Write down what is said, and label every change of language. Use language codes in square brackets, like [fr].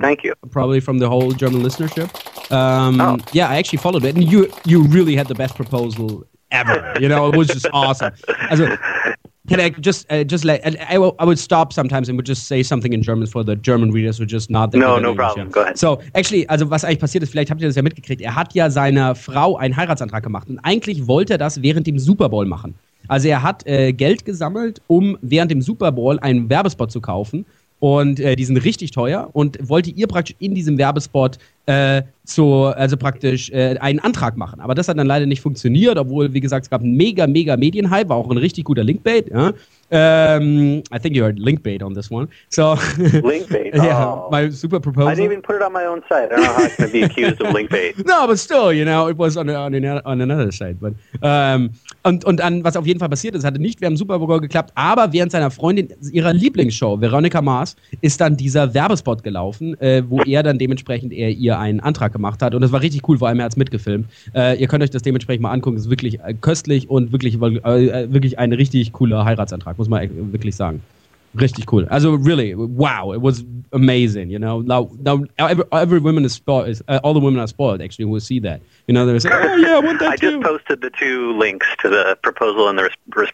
[en] thank you. Probably from the whole German listenership. Yeah, I actually followed it, and you really had the best proposal ever, you know. It was just awesome. I would stop sometimes and would just say something in German for the German readers who just not. No, no problem. Go ahead. So actually, [de] also was eigentlich passiert ist, vielleicht habt ihr das ja mitgekriegt. Er hat ja seiner Frau einen Heiratsantrag gemacht und eigentlich wollte er das während dem Super Bowl machen. Also er hat Geld gesammelt, um während dem Super Bowl einen Werbespot zu kaufen. Und die sind richtig teuer und wollte ihr praktisch in diesem Werbespot einen Antrag machen. Aber das hat dann leider nicht funktioniert, obwohl, wie gesagt, es gab einen mega, mega Medienhype, war auch ein richtig guter Linkbait. Ja? [en] I think you heard Linkbait on this one. So, Linkbait, yeah, my super proposal. I didn't even put it on my own site. I don't know how I can be accused of Linkbait. No, but still, you know, it was on another site. [de] But, und an was auf jeden Fall passiert ist, hatte nicht während Super Bowl geklappt, aber während seiner Freundin, ihrer Lieblingsshow, Veronica Mars, ist dann dieser Werbespot gelaufen, wo er dann dementsprechend ihr einen Antrag gemacht hat. Und das war richtig cool, vor allem er hat es mitgefilmt. Ihr könnt euch das dementsprechend mal angucken, ist wirklich köstlich und wirklich ein richtig cooler Heiratsantrag, muss man wirklich sagen. Richtig cool. [en] Also really, wow, it was amazing, you know. Now every woman is spoiled, all the women are spoiled, actually, will see that. You know, they're saying, oh yeah, I want that too. I just posted the two links to the proposal and the response.